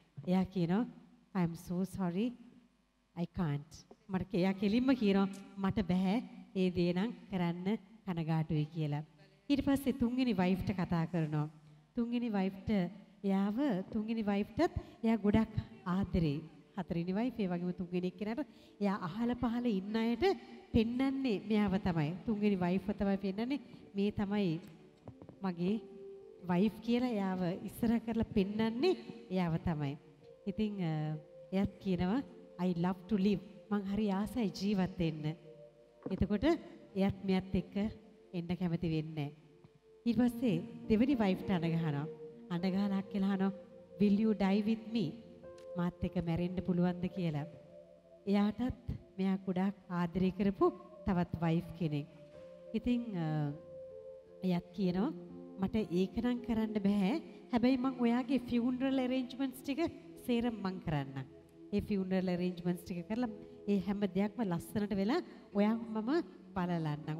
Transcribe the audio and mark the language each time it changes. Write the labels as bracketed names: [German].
[Sinhala] එයා කියනවා, [English] I am so sorry, I can't. [Sinhala] මට එයා කෙලින්ම කියනවා, මට බෑ ඒ දේ නම් කරන්න කනගාටුයි කියලා. ඊට පස්සේ තුන්වෙනි වයිෆ්ට කතා කරනවා. තුන්වෙනි වයිෆ්ට එයාව තුන්වෙනි වයිෆ්ටත් එයා ගොඩක් ආදරේ. හතරවෙනි වයිෆ් ඒ වගේම තුන්වෙනි කෙනාට එයා අහල පහල ඉන්න අයට පෙන්නන්නේ මෙයාව තමයි. තුන්වෙනි වයිෆ්ව තමයි පෙන්නන්නේ, මේ තමයි මගේ වයිෆ් කියලා එයාව ඉස්සර කරලා පෙන්නන්නේ එයාව තමයි. ඉතින් එයාත් කියනවා, [English] I love to live. [Sinhala] මං හරි ආසයි ජීවත් වෙන්න. එතකොට එයාත් මෙයාත් එක්ක එන්න කැමති වෙන්නේ. ඊට පස්සේ දෙවෙනි වයිෆ්ට අඬගහනවා. අඬගහනක් කියලා අහනවා, [English] will you die with me? [Sinhala] මාත් එක්ක මැරෙන්න පුළුවන්ද කියලා. එයාටත් මෙයා ගොඩාක් ආදරය කරපු තවත් වයිෆ් කෙනෙක්. ඉතින් එයාත් කියනවා, මට ඒකනම් කරන්න බෑ, හැබැයි මං ඔයාගේ ෆියුනරල් arrangements ටික සේරම මං කරන්න. ඒ ෆියුනරල් arrangements ටික කරලා ඒ හැම දෙයක්ම ලස්සනට වෙලා ඔයා මම බලලන්නම්.